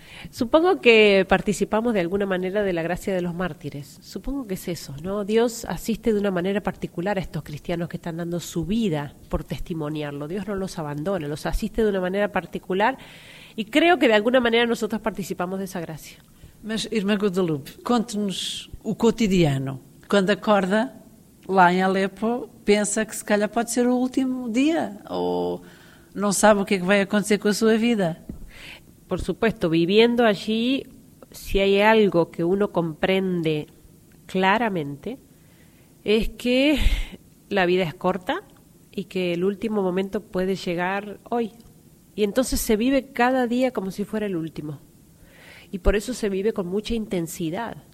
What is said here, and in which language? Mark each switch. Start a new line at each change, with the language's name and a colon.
Spanish: Supongo que participamos de alguna manera de la gracia de los mártires. Supongo que es eso, ¿no? Dios asiste de una manera particular a estos cristianos que están dando su vida por testimoniarlo. Dios no los abandona, los asiste de una manera particular y creo que de alguna manera nosotros participamos de esa gracia.
Portuguese: Mas, irmã Guadalupe, conte-nos o cotidiano. Quando acorda lá em Alepo, pensa que se calhar pode ser o último dia ou não sabe o que é que vai acontecer com a sua vida.
Spanish: Por supuesto, viviendo allí, si hay algo que uno comprende claramente, es que la vida es corta y que el último momento puede llegar hoy. Y entonces se vive cada día como si fuera el último. Y por eso se vive con mucha intensidad.